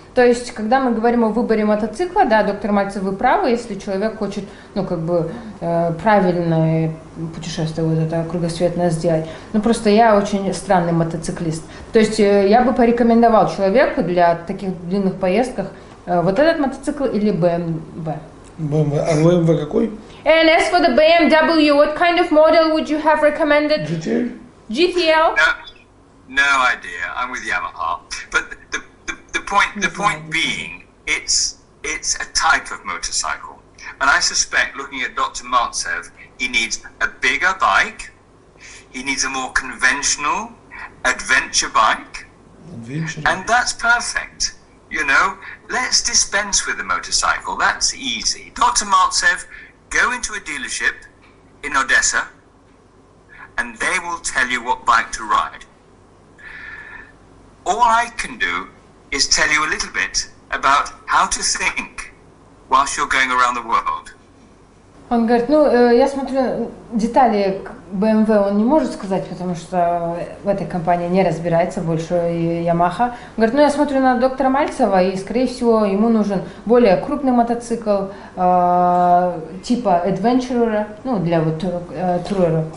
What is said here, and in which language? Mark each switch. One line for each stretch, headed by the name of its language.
Russian: То есть, когда мы говорим о выборе мотоцикла, да, доктор Мальцев, вы правы, если человек хочет, ну, как бы, правильное путешествие вот это кругосветное сделать. Ну, просто я очень странный мотоциклист. То есть, я бы порекомендовал человеку для таких длинных поездок вот этот мотоцикл или BMW. BMW. А BMW какой?
English: And as for the BMW, what kind of model would you have recommended? GTL? No, no idea. I'm with Yamaha. The point being, it's a type of motorcycle, and I suspect, looking at Dr. Maltsev, he needs a bigger bike, he needs a more conventional adventure bike, and that's perfect. You know, let's dispense with the motorcycle. That's easy. Dr. Maltsev, go into a dealership in Odessa, and they will tell you what bike to ride. All I can do is tell you a little bit about how to think whilst you're going around the world.
Russian: Он говорит, ну, я смотрю, детали BMW он не может сказать, потому что в этой компании не разбирается больше Yamaha. Он говорит, ну, я смотрю на доктора Мальцева, и, скорее всего, ему нужен более крупный мотоцикл, типа Adventurer, ну, для вот Tourer.